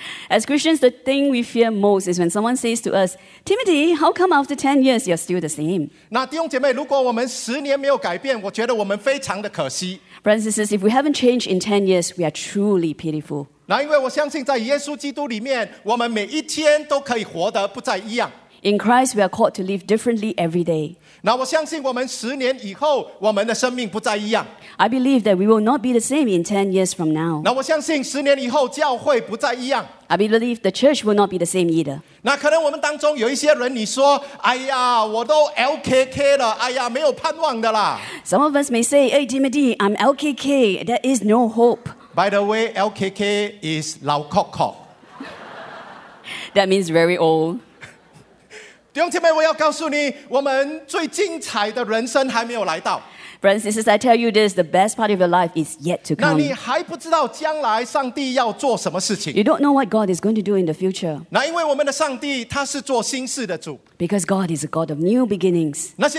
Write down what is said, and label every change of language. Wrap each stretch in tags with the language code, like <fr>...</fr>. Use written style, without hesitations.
<en>As Christians, the thing we fear most is when someone says to us, Timothy, how come after 10 years you're still the same?</en> <zh>那弟兄姐妹, 如果我们10年没有改变, 我觉得我们非常的可惜。</zh> <en>Brothers and sisters, if we haven't changed in 10 years, we are truly pitiful.</en> <zh>那因为我相信在耶稣基督里面, 我们每一天都可以活得不再一样。</zh> <en>In Christ, we are called to live differently every day.</en> <zh>那我相信我们10年以后, 我们的生命不再一样。</zh> <en>I believe that we will not be the same in 10 years from now.</en> <zh>那我相信10年以后, 教会不再一样。</zh> <en>I believe the church will not be the same either.</en> <zh>那可能我们当中有一些人, 你说, 哎呀, 我都LKK了, 哎呀, 没有盼望的啦。</zh> <en>Some of us may say, Hey, Timothy, I'm LKK. There is no hope. By the way, LKK is 老cock cock. That means very old.</en> <zh>弟兄姐妹,我要告诉你,我们最精彩的人生还没有来到。</zh> <en>Friends, this is, I tell you this, the best part of your life is yet to come.</en> <zh>那你还不知道将来上帝要做什么事情。</zh> <en>You don't know what God is going to do in the future.</en> <zh>那因为我们的上帝,他是做新事的主。</zh> <en>Because God is a God of new beginnings.</en>